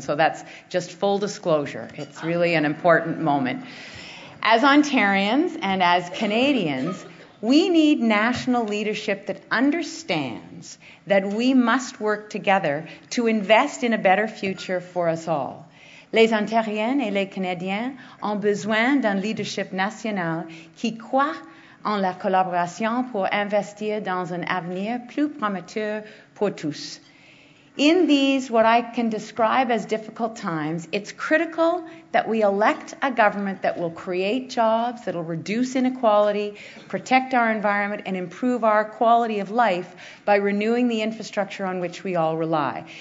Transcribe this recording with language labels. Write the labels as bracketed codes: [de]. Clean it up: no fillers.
[en] So that's just full disclosure. It's really an important moment. As Ontarians and as Canadians, we need national leadership that understands that we must work together to invest in a better future for us all. [fr] Les Ontariens et les Canadiens ont besoin d'un leadership national qui croit en la collaboration pour investir dans un avenir plus prometteur pour tous. [en] In these, what I can describe as difficult times, it's critical that we elect a government that will create jobs, that will reduce inequality, protect our environment, and improve our quality of life by renewing the infrastructure on which we all rely.